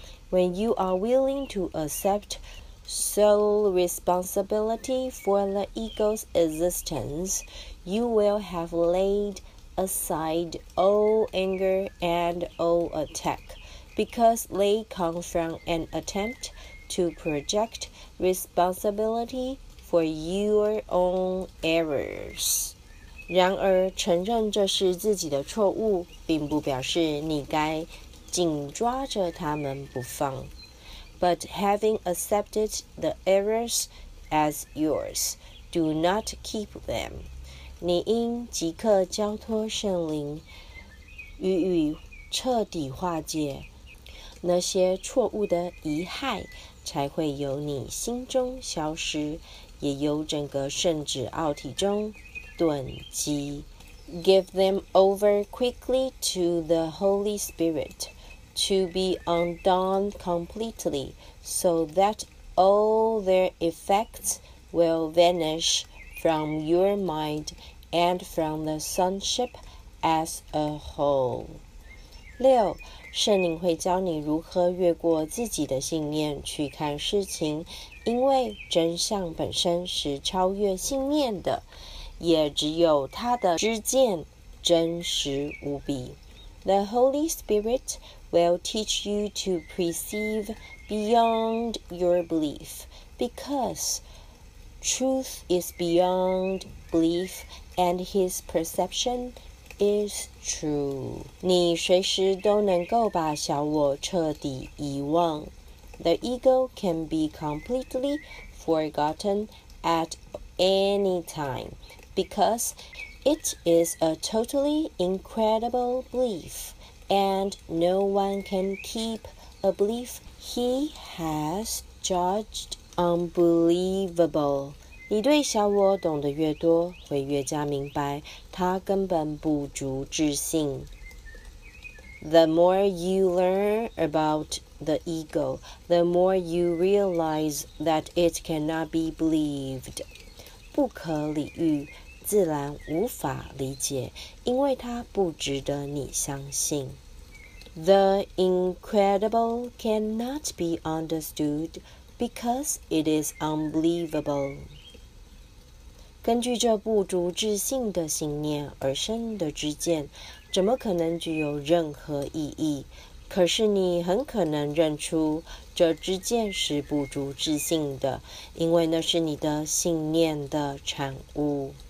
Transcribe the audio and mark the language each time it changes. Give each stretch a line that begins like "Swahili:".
English: When you are willing to acceptSole responsibility for the ego's existence, you will have laid aside all anger and all attack, because they come from an attempt to project responsibility for your own errors.
Chinese: 然而，承认这是自己的错误，并不表示你该紧抓着他们不放。
English: But having accepted the errors as yours, do not keep them.
Chinese: 你应即刻交托圣灵，予以彻底化解。那些错误的遗骸才会由你心中消失，也由整个圣旨奥体中顿击。
English: Give them over quickly to the Holy Spirit. To be undone completely, so that all their effects will vanish from your mind and from the sonship as a whole.
Chinese: 六，圣灵会教你如何越过自己的信念去看事情，因为真相本身是超越信念的，也只有他的知见真实无比。
English: The Holy Spirit will teach you to perceive beyond your belief, because truth is beyond belief and his perception is true.
Chinese: 你随时都能够把小我彻底遗忘。
English: The ego can be completely forgotten at any time, because it is a totally incredible belief, and no one can keep a belief he has judged unbelievable.
Chinese: 你对小我懂得越多，会越加明白它根本不足置信。
English: The more you learn about the ego, the more you realize that it cannot be believed.
Chinese: 不可理喻，自然无法理解，因为它不值得你相信。
English: The incredible cannot be understood because it is unbelievable.
Chinese: 根据这不足置信的信念而生的知见，怎么可能具有任何意义？可是你很可能认出这知见是不足置信的，因为那是你的信念的产物。